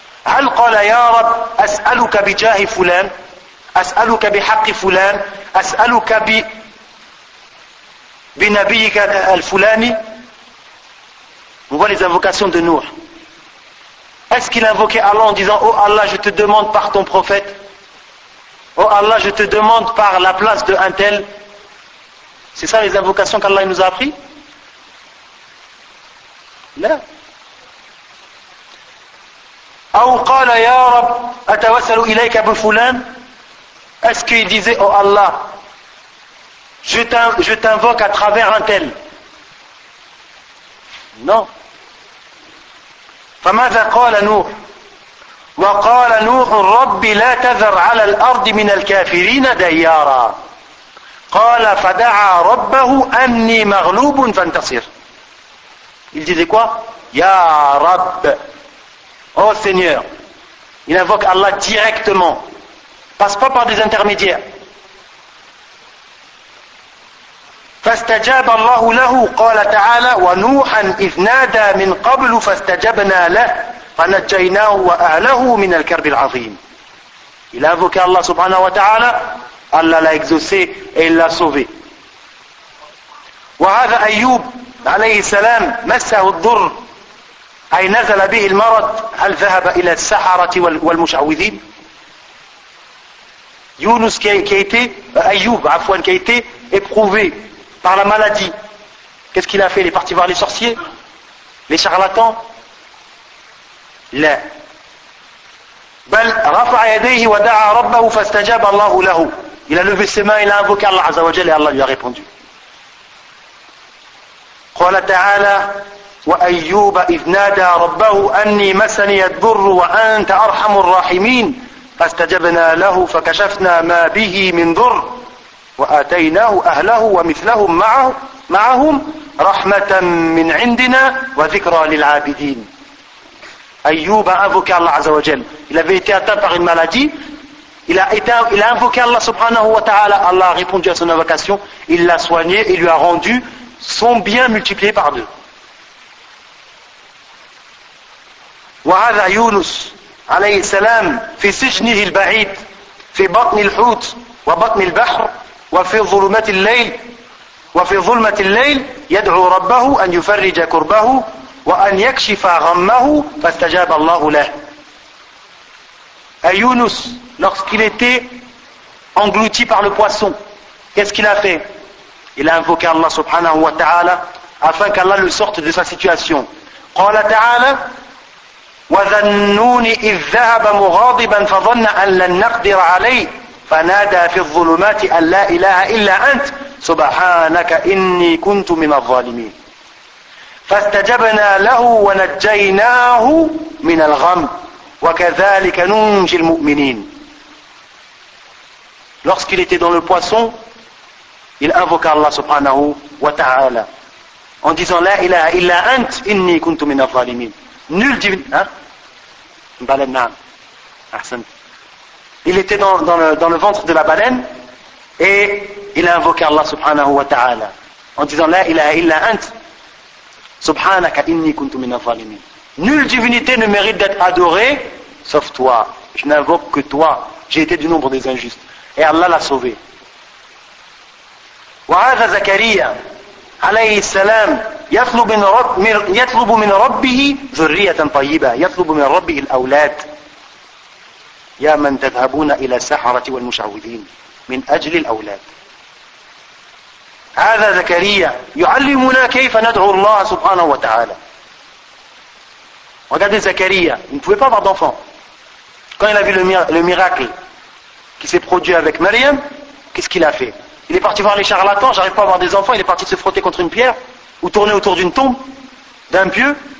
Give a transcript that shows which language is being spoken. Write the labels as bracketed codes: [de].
[ar] هل قال يا رب أسألك بجاه فلان أسألك بحق فلان أسألك بنبيك الفلاني. [fr] On voit les invocations de Nuh. Est-ce qu'il invoquait Allah en disant, oh Allah, je te demande par ton prophète, oh Allah, je te demande par la place de un tel? C'est ça les invocations qu'Allah nous a appris? Là. [ar] أو قال يا رب أتوسل إليك بفلان. [fr] Est-ce qu'il disait, oh Allah, je t'invoque à travers un tel? Non. [ar] فماذا قال نوح؟ وقال نوح رب لا تذر على الأرض من الكافرين ديارا. قال فدعا ربه أني مغلوب فانتصر. [fr] Il disait quoi? [ar] يا رب. [fr] Oh Seigneur, il invoque Allah directement. Passe pas par des intermédiaires. [ar] فاستجاب الله له، قال تعالى: ونوحا إذ نادى من قبل فاستجبنا له فنجيناه وأهله من الكرب العظيم. [fr] Il invoqué Allah subhanahu wa ta'ala, Allah l'a exaucé et il l'a sauvé. [ar] وهذا أيوب عليه السلام مسه الضر أي نزل به المرض هل ذهب إلى السحرة والمشعوذين؟ يونس أيوب [fr] éprouvé par la maladie. Qu'est-ce qu'il a fait? Il est parti voir les sorciers? Les charlatans? Là. [ar] بل رفع يديه ودعا ربه فاستجاب الله له. [fr] Il a levé ses mains, il a invoqué Allah عز وجل et Allah lui a répondu. [ar] قال تعالى: وأيوب إذ نادى ربه أني مسني الضر وأنت أرحم الراحمين فاستجبنا له فكشفنا ما به من ضر وآتيناه أهله ومثلهم معهم رحمة من عندنا وذكرى للعابدين. [fr] أيوب invoqué Allah عز وجل. Il avait été atteint par une maladie. Il a invoqué Allah subhanahu wa ta'ala. Allah a répondu à son invocation. Il l'a soigné et lui a rendu son bien multiplié par deux. [ar] وهذا يونس عليه السلام في سجنه البعيد في بطن الحوت وبطن البحر وفي ظلمات الليل وفي ظلمة الليل يدعو ربه أن يفرج كربه وأن يكشف غمه فاستجاب الله له. [fr] يونس lorsqu'il était englouti par le poisson, qu'est-ce qu'il a fait? Il a invoqué Allah subhanahu wa ta'ala afin qu'Allah le sorte de sa situation. [ar] قال تعالى: وذا النون إذ ذهب مغاضبا فظن أن لن نقدر عليه فنادى في الظلمات أن لا إله إلا أنت سبحانك إني كنت من الظالمين فاستجبنا له ونجيناه من الغم وكذلك ننجي المؤمنين. [fr] Lorsqu'il était dans le poisson, il invoqua Allah subhanahu wa ta'ala en disant: [ar] La ilaha illa ant, inni kuntu min al-zalimin. [fr] Nul divin. Baleine, na'am. Ahsan. Il était dans le ventre de la baleine et il invoqua Allah subhanahu wa ta'ala en disant: [ar] La ilaha illa ant, subhanaka inni kuntu min al-zalimin. [fr] Nulle divinité ne mérite d'être adorée sauf toi. Je n'invoque que toi. J'ai été du nombre des injustes. Et Allah l'a sauvé. [ar] وهذا زكريا عليه السلام يطلب من ربه ذرية طيبة، يطلب من ربه الأولاد. يا من تذهبون إلى السحرة والمشعوذين من أجل الأولاد. هذا زكريا يعلمنا كيف ندعو الله سبحانه وتعالى. [fr] Regardez Zakaria, il ne pouvait pas avoir d'enfant. Quand il a vu le miracle qui s'est produit avec Maryam, qu'est-ce qu'il a fait? Il est parti voir les charlatans, j'arrive pas à avoir des enfants. Il est parti se frotter contre une pierre ou tourner autour d'une tombe, d'un pieu.